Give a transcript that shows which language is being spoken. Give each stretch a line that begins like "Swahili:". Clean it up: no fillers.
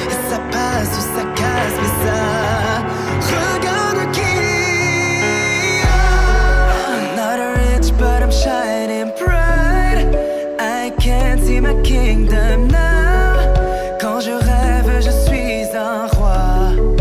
French: Ça passe ou ça casse, mais ça regarde qui.
English: Oh, I'm not rich, but I'm shining bright. I can't see my kingdom now.
French: Quand je rêve, je suis un roi.